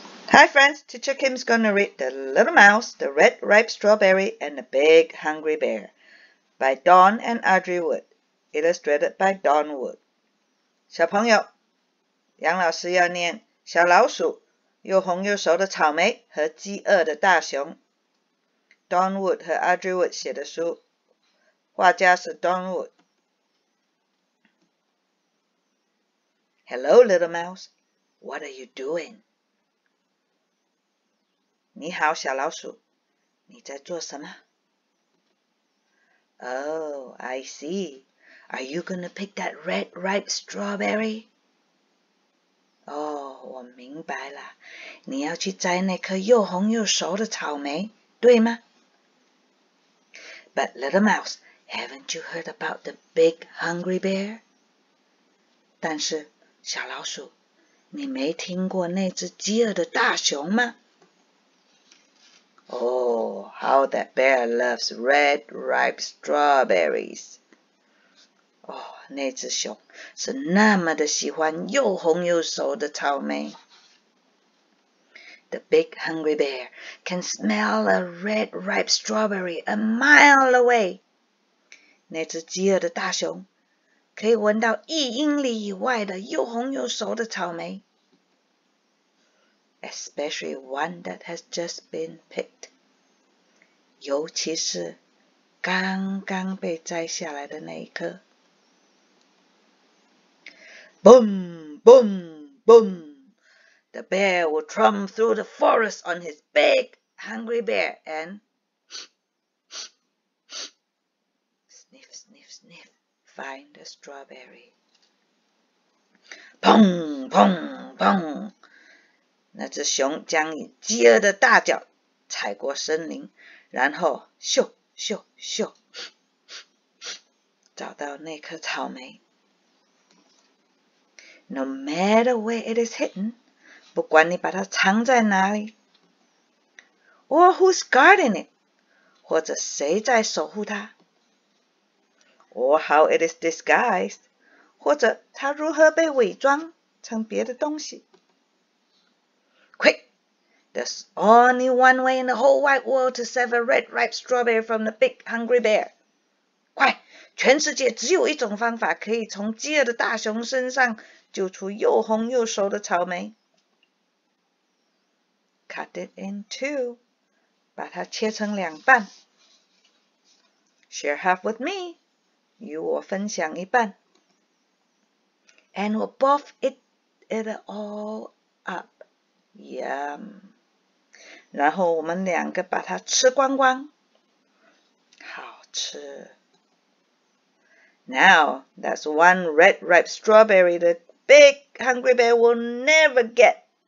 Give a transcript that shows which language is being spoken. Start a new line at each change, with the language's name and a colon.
English: Hi friends, Teacher Kim's gonna read The Little Mouse, The Red Ripe Strawberry, and The Big Hungry Bear by Dawn and Audrey Wood, illustrated by Dawn Wood.
Chinese: 小朋友，杨老师要念小老鼠，又红又熟的草莓和饥饿的大熊。 Dawn Wood 和 Audrey Wood 写的书，画家是 Dawn Wood。
English: Hello, Little Mouse, what are you doing?
Chinese: 你好，小老鼠，你在做什么 ？
English: Oh, I see. Are you gonna pick that red ripe strawberry?
Chinese: 哦、oh, ，我明白了，你要去摘那颗又红又熟的草莓，对吗 ？
English: But little mouse, haven't you heard about the big hungry bear?
Chinese: 但是，小老鼠，你没听过那只饥饿的大熊吗？
English: Oh, how that bear loves red ripe strawberries.
Chinese: 哦、oh, ，那只熊是那么的喜欢又红又熟的草莓。
English: The big hungry bear can smell a red ripe strawberry a mile away.
Chinese: 那只饥饿的大熊可以闻到一英里以外的又红又熟的草莓。
English: Especially one that has just been picked.
Chinese: 尤其是刚刚被摘下来的那一颗。
English: Boom, boom, boom! The bear will tromp through the forest on his big, hungry bear and sniff, sniff, sniff, find a strawberry. Pong, pong, pong!
Chinese: 那只熊将以饥饿的大脚踩过森林，然后咻咻咻，找到那颗草莓。
English: No matter where it is hidden,
Chinese: 不管你把它藏在哪里
English: ，or who's guarding it,
Chinese: 或者谁在守护它
English: ，or how it is disguised,
Chinese: 或者它如何被伪装成别的东西。
English: There's only one way in the whole wide world to save a red ripe strawberry from the big hungry bear.
Chinese: 快，全世界只有一种方法可以从饥饿的大熊身上救出又红又熟的草莓。
English: Cut it in two.
Chinese: 把它切成两半。
English: Share half with me.
Chinese: 与我分享一半。
English: And we'll both eat it all up. Yum.
Chinese: 然后我们两个把它吃光光，好吃。
English: Now, that's one red ripe strawberry the big hungry bear will never get.